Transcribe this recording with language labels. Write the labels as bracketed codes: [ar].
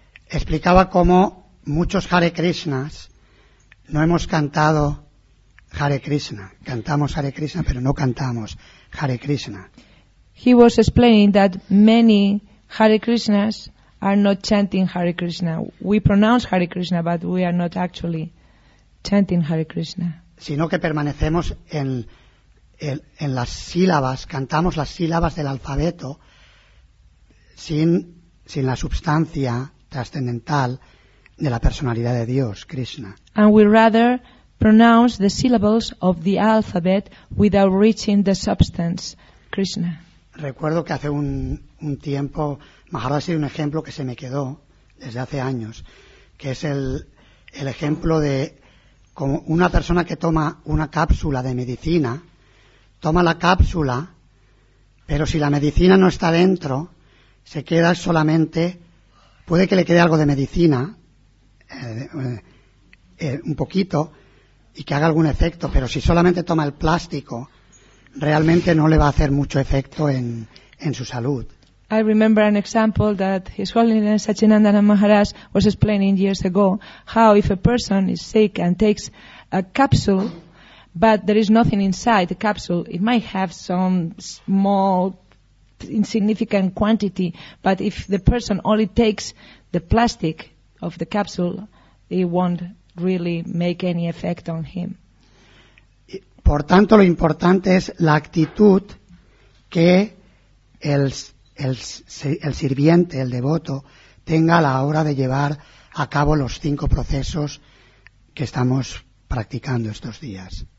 [es] Explicaba cómo muchos Hare Krishnas no hemos cantado Hare Krishna. Cantamos Hare Krishna, pero no cantamos Hare Krishna. [en] He was explaining that many Hare Krishnas are not chanting Hare Krishna. We pronounce Hare Krishna, but we are not actually chanting Hare Krishna. [es] Sino que permanecemos en las sílabas, cantamos las sílabas del alfabeto sin la substancia trascendental de la personalidad de Dios, Krishna. [en] And we rather pronounce the syllables of the alphabet without reaching the substance, Krishna. [es] Recuerdo que hace un tiempo, Maharaj dio un ejemplo que se me quedó desde hace años, que es el ejemplo de como una persona que toma una cápsula de medicina, toma la cápsula, pero si la medicina no está dentro, se queda solamente, puede que le quede algo de medicina, un poquito, y que haga algún efecto, pero si solamente toma el plástico, realmente no le va a hacer mucho efecto en su salud. [en] I remember an example that His Holiness Sachinandana Maharaj was explaining years ago, how if a person is sick and takes a capsule, but there is nothing inside the capsule, it might have some small, insignificant quantity, but if the person only takes the plastic of the capsule, it won't really make any effect on him. [es] Por tanto, lo importante es la actitud que el sirviente, el devoto, tenga a la hora de llevar a cabo los cinco procesos que estamos practicando estos días.